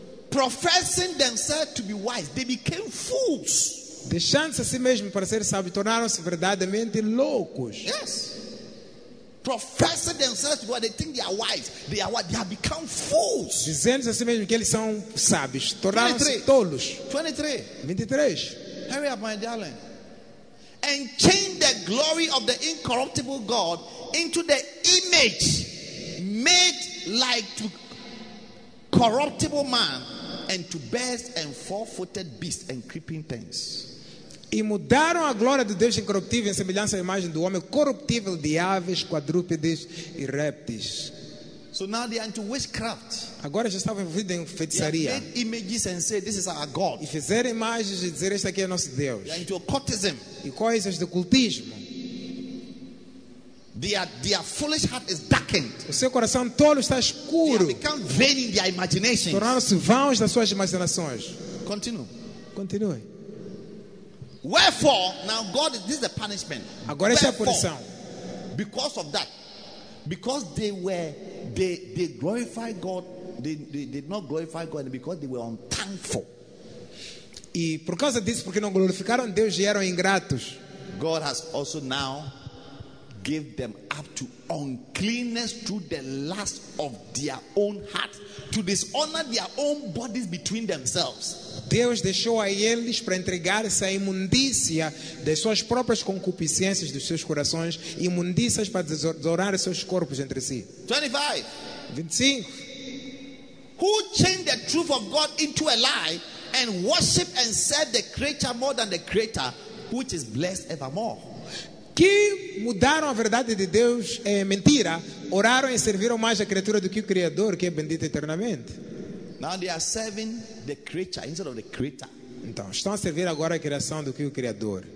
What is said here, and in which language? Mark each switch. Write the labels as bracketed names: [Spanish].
[English] Professing themselves to be wise, they became fools. [Portuguese] Deixando-se a si mesmo para ser sábio, tornaram-se verdadeiramente loucos. [English] Yes. Professing themselves to be wise, they think they are wise. They are what? They have become fools. [Portuguese] Dizendo-se a si mesmo que eles são sábios, tornaram-se tolos. [English] 23. Hurry up, my darling. And change the glory of the incorruptible God into the image made like to corruptible man and to beast and four-footed beast and creeping things. [Portuguese] E mudaram a glória de Deus incorruptível em semelhança à imagem do homem corruptível de aves, quadrúpedes e répteis. [English] So now they are into witchcraft. [Portuguese] Agora já estavam envolvidos em feitiçaria. [English] They made images and said, "This is our God." [Portuguese] E fizeram imagens e dizer, "Este aqui é nosso Deus." [English] They are into occultism. [Portuguese] E coisas de ocultismo. [English] Their foolish heart is darkened. [Portuguese] O seu coração tolo está escuro. [English] They become vain in their imaginations. [Portuguese] Tornaram-se vãos das suas imaginações. [English] Continue. Wherefore, now God, this is the punishment. [Portuguese] Agora essa é a punição. [English] Because of that, because they glorify God, they did not glorify God because they were unthankful. [Portuguese] E por causa disso, porque não glorificaram Deus e eram ingratos. [English] God has also now gave them up to uncleanness through the lust of their own hearts to dishonor their own bodies between themselves. [Portuguese] Deus deixou a eles para entregar-se à imundícia das suas próprias concupiscências dos seus corações, imundícias para desonrar seus corpos entre si. [English] 25. Who changed the truth of God into a lie and worship and serve the creature more than the creator, which is blessed evermore? [Portuguese] Que mudaram a verdade de Deus em mentira, oraram e serviram mais a criatura do que o Criador, que é bendito eternamente. [English] Now they are serving the creature instead of the creator. [Portuguese] Então, estão a servir agora a criação do que o Criador.